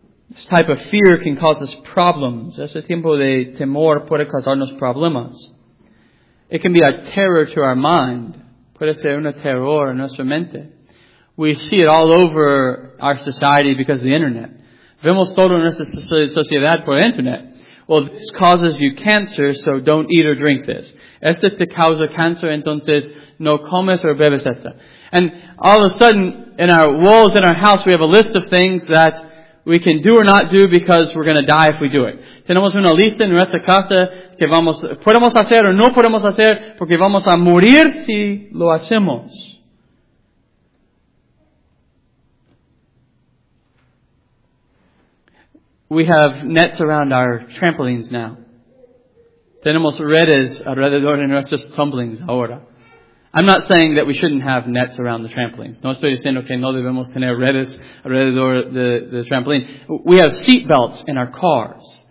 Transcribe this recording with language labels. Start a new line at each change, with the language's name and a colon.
English: This type of fear can cause us problems.
Spanish: Ese tiempo de temor puede causarnos problemas.
English: It can be a terror to our mind.
Spanish: Puede ser un terror a nuestra mente.
English: We see it all over our society because of the internet.
Spanish: Vemos todo en nuestra sociedad por internet.
English: Well, this causes you cancer, so don't eat or drink this.
Spanish: Este te causa cancer, entonces no comes o bebes esta.
English: And all of a sudden, in our walls, in our house, we have a list of things that we can do or not do because we're going to die if we do it.
Spanish: Tenemos una lista en nuestra casa que vamos podemos hacer o no podemos hacer porque vamos a morir si lo hacemos.
English: We have nets around our trampolines now.
Spanish: Tenemos redes alrededor de nuestros tumblings ahora.
English: I'm not saying that we shouldn't have nets around the trampolines.
Spanish: No estoy diciendo que no debemos tener redes alrededor de trampoline.
English: We have seat belts in our cars.